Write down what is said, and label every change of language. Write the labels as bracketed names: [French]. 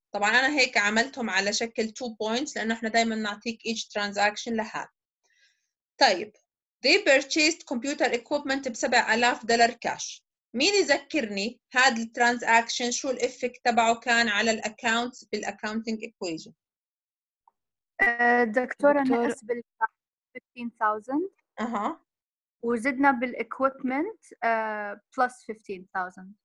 [Arabic] طبعاً أنا هيك عملتهم على شكل 2 points لأنه إحنا دايماً نعطيك [English] each transaction [Arabic] لحال. [English] طيب they purchased computer equipment $7,000 cash. [Arabic] مين يذكرني هذا الترانزاكشن شو الإفك تبعه كان على الأكاونت بالأكاونتينج إكويجن؟ دكتور أنا أسب الـ 15,000 وزدنا بالإكويبمنت plus 15,000